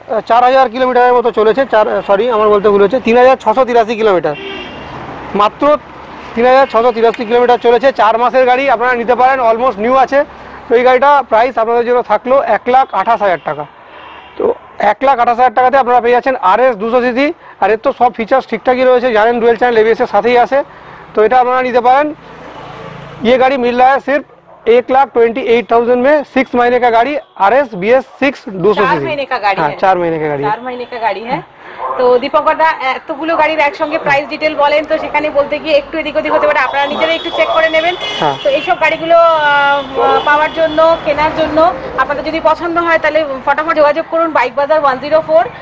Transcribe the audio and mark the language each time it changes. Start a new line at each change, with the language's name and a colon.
Bangla: 4,000 কিলোমিটারের মতো চলেছে আমার বলতে ভুল হয়েছে 3,683 কিলোমিটার মাত্র 3,683 কিলোমিটার চলেছে 4 মাসের গাড়ি আপনারা নিতে পারেন অলমোস্ট নিউ আছে তো এই গাড়িটা প্রাইস আপনাদের জন্য থাকলো 1,28,000 টাকা তো 1,28,000 টাকাতে আপনারা পেয়ে যাচ্ছেন RS 200 cc আর এর তো সব ফিচার্স ঠিকঠাকই রয়েছে জানেন ডুয়েল চ্যানেল ABS এর সাথেই আছে তো এটা আপনারা নিতে পারেন
Hindi: ইয়ে গাড়ি মিল রা হ্যায় সিফ 1,28,000 में 6 महीने का गाड़ी RS BS 6 200 सीसी चार महीने का गाड़ी है।
Bangla: तो दीपक दा এতগুলো গাড়ির একসঙ্গে প্রাইস ডিটেইল বলেন তো সেখানে বলতে গিয়ে একটু এদিক ওদিক হতে পারে, আপনারা নিজেরা একটু চেক করে নেবেন। তো এইসব গাড়িগুলো পাওয়ার জন্য কেনার জন্য আপনাদের যদি পছন্দ হয় তাহলে ফটাফট যোগাযোগ করুন বাইক বাজার 104।